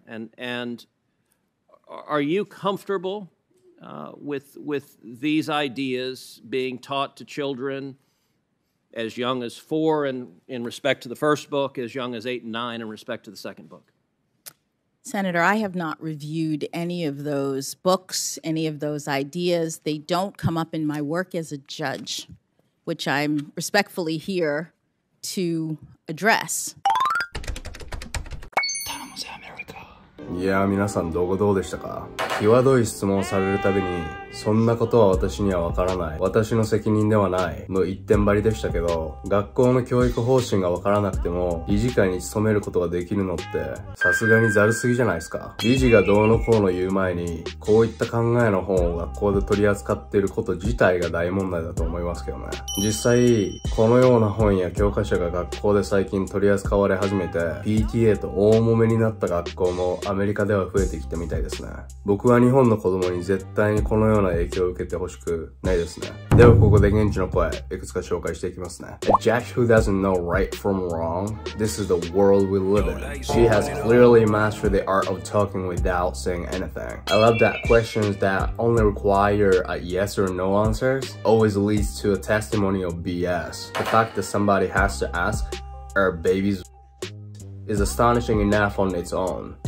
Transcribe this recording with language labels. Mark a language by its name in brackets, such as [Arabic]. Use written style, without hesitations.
[English] And are you comfortable with these ideas being taught to children as young as 4 and in respect to the first book, as young as 8 and 9 in respect to the second book? Senator, I have not reviewed any of those books, any of those ideas. They don't come up in my work as a judge, which I'm respectfully here to address. [Japanese] いや、皆さん動画どうでしたか？際どい質問をされるたびに、そんなことは私にはわからない、私の責任ではないの一点張りでしたけど、学校の教育方針がわからなくても理事会に勤めることができるのってさすがにざるすぎじゃないですか。理事がどうのこうの言う前にこういった考えの本を学校で取り扱っていること自体が大問題だと思いますけどね。実際このような本や教科書が学校で最近取り扱われ始めて、 PTA と大揉めになった学校もアメリカでは増えてきたみたいですね。僕は日本の子供に絶対にこのような影響を受けてほしくないですね。ではここで現地の声いくつか紹介していきますね。 [English] A judge who doesn't know right from wrong. This is the world we live in. She has clearly mastered the art of talking without saying anything. I love that questions that only require a yes or no answers always leads to a testimony of BS. The fact that somebody has to ask, are babies is astonishing enough on its own.